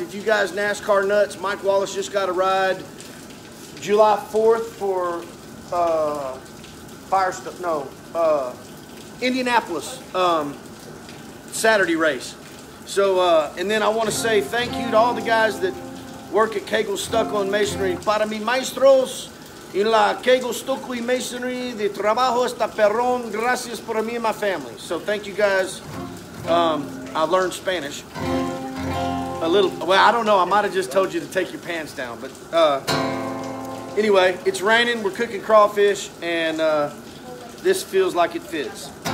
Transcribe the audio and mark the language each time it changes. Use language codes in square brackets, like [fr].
[en] If you guys NASCAR nuts, Mike Wallace just got a ride July 4th for Indianapolis Saturday race. So, and then I want to say thank you to all the guys that work at Cagle Stucco and Masonry. [es] Para mi maestros en la Cagle Stucco y Masonry, de trabajo está perrón. Gracias por mí y mi family. [en] So thank you guys. I learned Spanish a little. Well, I don't know. I might have just told you to take your pants down, but anyway, it's raining. We're cooking crawfish, and this feels like it fits.